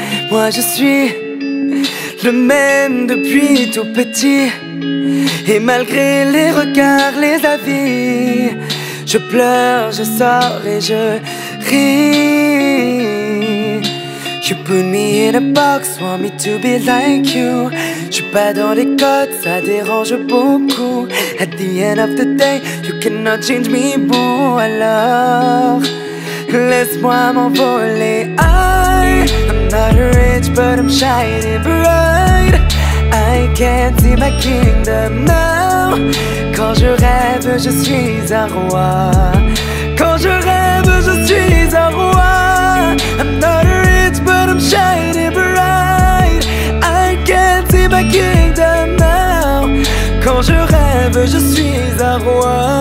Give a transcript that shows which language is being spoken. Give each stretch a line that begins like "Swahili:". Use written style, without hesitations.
French: Moi je suis le même depuis tout petit. Et malgré les regards, les avis, je pleure, je sors et je ris.
English: You put me in a box, want me to be like you.
French: J'suis pas dans les codes, ça dérange beaucoup.
English: At the end of the day, you cannot change me, boo.
French: Alors, laisse-moi m'envoler.
English: I'm not rich, but I'm shiny bright. I can't see my kingdom now.
French: Quand je rêve, je suis un roi. Quand je rêve, je suis un roi.
English: I'm not rich, but I'm shiny bright. I can't see my kingdom now.
French: Quand je rêve, je suis un roi.